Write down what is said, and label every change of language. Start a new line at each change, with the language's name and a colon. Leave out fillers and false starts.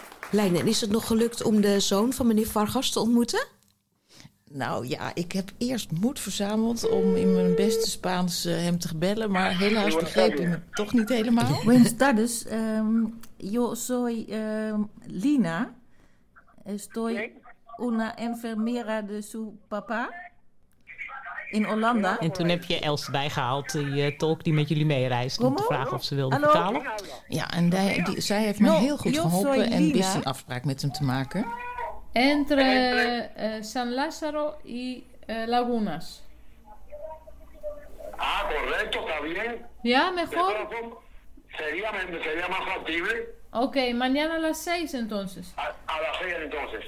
Dutch: Lijn, en is het nog gelukt om de zoon van meneer Vargas te ontmoeten? Nou ja, ik heb eerst moed verzameld om in mijn beste Spaans hem te bellen, maar helaas begreep hij me toch niet helemaal.
Spanish: Buenas tardes. Yo soy Lina. Estoy una enfermera de su papá. In Holanda.
Dutch: En toen heb je Els bijgehaald, die tolk die met jullie meereist, om te vragen of ze wilde betalen. Ja, en zij heeft me heel goed geholpen en wist een afspraak met hem te maken.
Spanish: Entre San Lázaro y Lagunas. Ah, correcto, está bien. Ya, mejor. Sería más factible. Ok, mañana a las 6 entonces. A las 6 entonces.